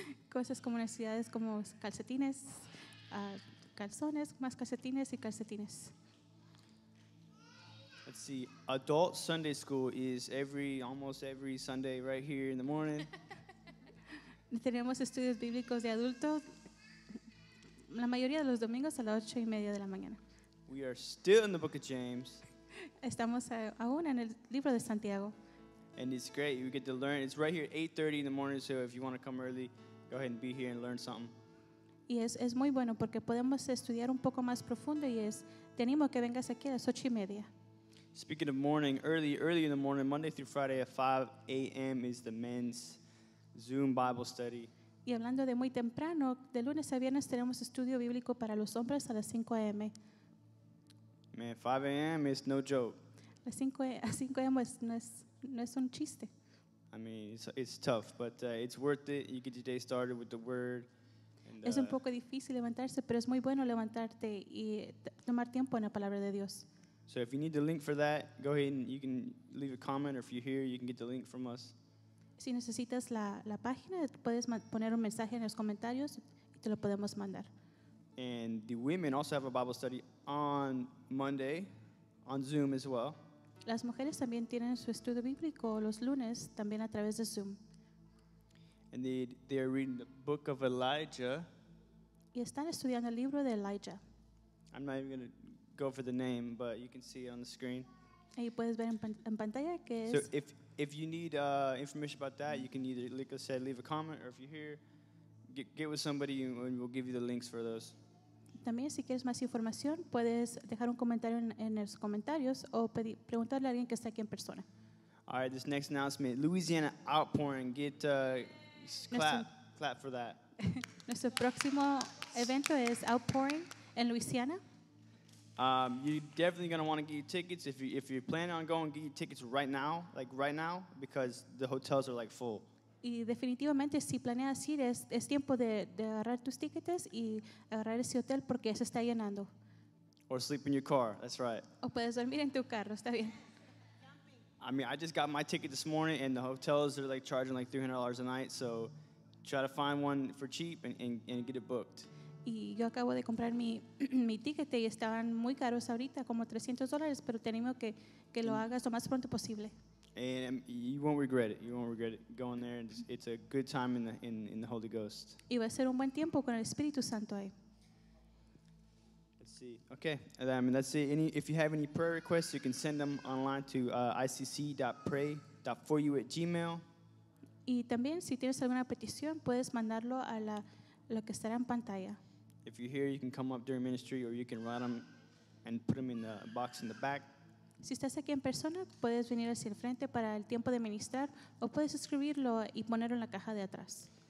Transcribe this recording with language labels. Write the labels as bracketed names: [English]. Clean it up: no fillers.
[Spanish] Cosas como necesidades como calcetines, calzones, más calcetines y calcetines. [English] Let's see. Adult Sunday school is almost every Sunday right here in the morning. [Spanish] Tenemos estudios bíblicos de adultos la mayoría de los domingos a las 8:30 de la mañana. [English] We are still in the book of James. [Spanish] Estamos aún en el libro de Santiago. [English] And it's great. You get to learn. It's right here at 8:30 in the morning. So if you want to come early, go ahead and be here and learn something. [Spanish] Y es muy bueno porque podemos estudiar un poco más profundo y es te animo a que vengas aquí a las 8:30. [English] Speaking of morning, early in the morning, Monday through Friday at 5 a.m. is the men's Zoom Bible study. [Spanish] Y hablando de muy temprano, de lunes a viernes tenemos estudio bíblico para los hombres a las 5 a.m. [English] Man, 5 a.m. is no joke. [Spanish] A 5 a.m. no es un chiste. [English] I mean, it's tough, but it's worth it. You get your day started with the Word. [Spanish] And, es un poco difícil levantarse, pero es muy bueno levantarte y tomar tiempo en la palabra de Dios. [English] So if you need the link for that, go ahead and you can leave a comment, or if you're here, you can get the link from us. [Spanish] Si necesitas la página, puedes poner un mensaje en los comentarios y te lo podemos mandar. [English] And the women also have a Bible study on Monday on Zoom as well. [Spanish] Las mujeres también tienen su estudio bíblico los lunes también a través de Zoom. [English] And they are reading the book of Elijah. [Spanish] Y están estudiando el libro de Elijah. [English] I'm not even going to go for the name, but you can see it on the screen. [Spanish] Ahí puedes ver en pantalla que es. [English] So if you need information about that, you can either, like I said, leave a comment, or if you're here, get with somebody and we'll give you the links for those. [Spanish] También si quieres más información, puedes dejar un comentario en los comentarios o preguntarle a alguien que está aquí en persona. [English] All right, this next announcement, Louisiana Outpouring. Get clap for that. [Spanish] Nuestro próximo evento es Outpouring en Louisiana. [English] You're definitely going to want to get your tickets. If you're planning on going, get your tickets right now, because the hotels are like full. [Spanish] Y definitivamente, si planeas ir, es tiempo de agarrar tus tickets y agarrar ese hotel porque se está llenando. [English] Or sleep in your car, that's right. [Spanish] O puedes dormir en tu carro, está bien. [English] I mean, I just got my ticket this morning and the hotels are like charging like $300 a night, so try to find one for cheap and get it booked. [Spanish] Y yo acabo de comprar mi ticket y estaban muy caros ahorita, como $300, pero te animo que lo hagas lo más pronto posible. [English] And you won't regret it. You won't regret it going there. And it's a good time in the Holy Ghost. [Spanish] Y va a ser un buen tiempo con el Espíritu Santo ahí. [English] Let's see. Okay. That's it. If you have any prayer requests, you can send them online to icc.pray.foryou@gmail.com. [Spanish] Y también, si tienes alguna petición, puedes mandarlo a lo que estará en pantalla. [English] If you're here, you can come up during ministry, or you can write them and put them in the box in the back. [Spanish] Si estás aquí en persona, puedes venir hacia el frente para el tiempo de ministrar, o puedes escribirlo y ponerlo en la caja de atrás.